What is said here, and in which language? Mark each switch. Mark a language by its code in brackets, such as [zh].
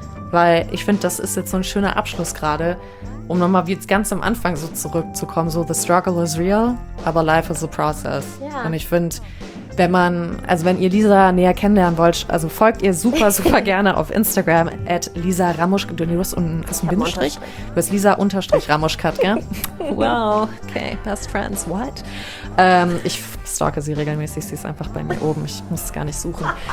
[de] Weil ich finde, das ist jetzt so ein schöner Abschluss gerade, um nochmal wie jetzt ganz am Anfang so zurückzukommen, so [en] the struggle is real, [de] aber [en] life is a process. [de] Ja. Und ich finde, wenn ihr Lisa näher kennenlernen wollt, also folgt ihr super, super gerne auf Instagram @LisaRamuschka. Du hast unten einen Bindestrich. Du hast Lisa_Ramuschka, gell? [en] Wow, okay, best friends, what? [de] Ich stalke sie regelmäßig, sie ist einfach bei mir oben, ich muss es gar nicht suchen.